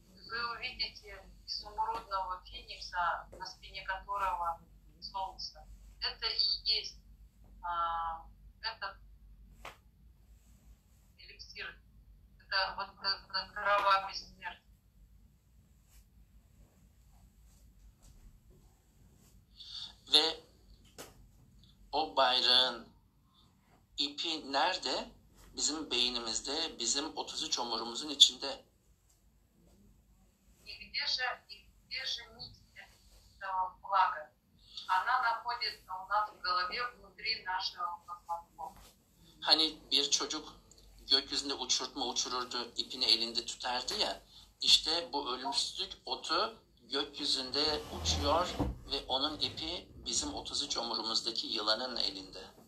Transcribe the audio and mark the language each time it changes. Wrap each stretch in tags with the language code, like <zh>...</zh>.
<ru>Вы увидите изумрудного феникса, на спине которого солнце. Это и есть этот эликсир. Это вот трава бессмертия.</ru> <tr>Ve o bayrağın ipi nerede? Bizim beynimizde, bizim 33 omurumuzun içinde.</tr> <ru>И где же нить этого флага? Она находится у нас в голове, внутри нашего мозга.</ru> <tr>Hani bir çocuk gökyüzünde uçurtma uçururdu, ipini elinde tutardı ya. İşte bu ölümsüzlük otu gökyüzünde uçuyor ve onun ipi bizim 33 omurumuzdaki yılanın elinde.</tr>